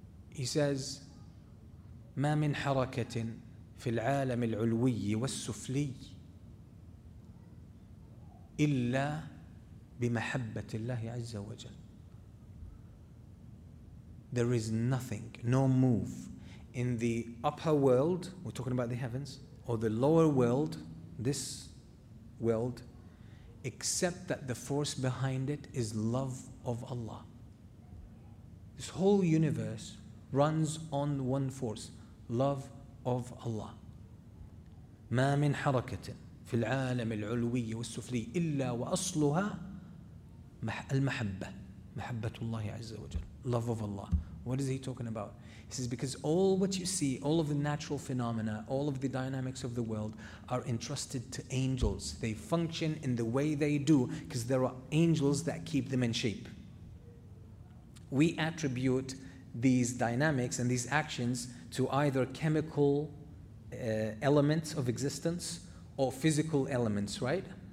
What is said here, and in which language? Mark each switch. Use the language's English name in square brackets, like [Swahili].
[English] He says, [Arabic] ما من حركة في العالم العلوي والسفلي إلا بمحبة الله عز وجل. [English] There is nothing, no move in the upper world, we're talking about the heavens, or the lower world, this world, except that the force behind it is love of Allah. This whole universe runs on one force, love of Allah. [Arabic] ما من حركة في العالم العلوي والسفلي إلا وأصلها المحبة, محبة الله عز وجل, [English] love of Allah. What is he talking about? He says, because all what you see, all of the natural phenomena, all of the dynamics of the world are entrusted to angels. They function in the way they do because there are angels that keep them in shape. We attribute these dynamics and these actions to either chemical elements of existence or physical elements, right?